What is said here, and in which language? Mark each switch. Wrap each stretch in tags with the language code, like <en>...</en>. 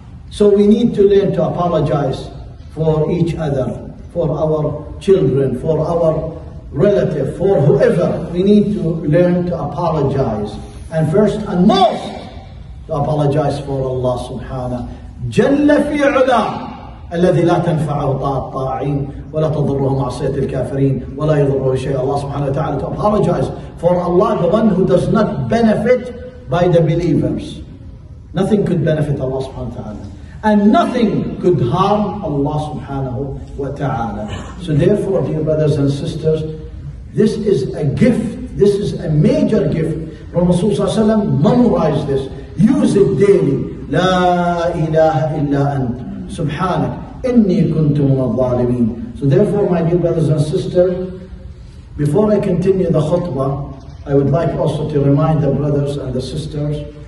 <en>So we need to learn to apologize for each other, for our children, for our relative, for whoever. We need to learn to apologize. And first and most, to apologize for Allah subhanahu.</en> <ar>جل في علا الذي لا تنفعه طاعة الطاعين ولا تضره معصية الكافرين ولا يضره شيء.</ar> <en>الله سبحانه وتعالى, to apologize for Allah, the one who does not benefit by the believers. Nothing could benefit Allah سبحانه وتعالى, and nothing could harm Allah سبحانه وتعالى. So therefore, dear brothers and sisters, this is a gift, this is a major gift. Rasulullah صلى الله عليه وسلم memorized this, use it daily.</en> <ar>لا إله إلا أنت سبحانك إني كنت من الظالمين.</ar> <en>So therefore, my dear brothers and sisters, before I continue the khutbah, I would like also to remind the brothers and the sisters</en>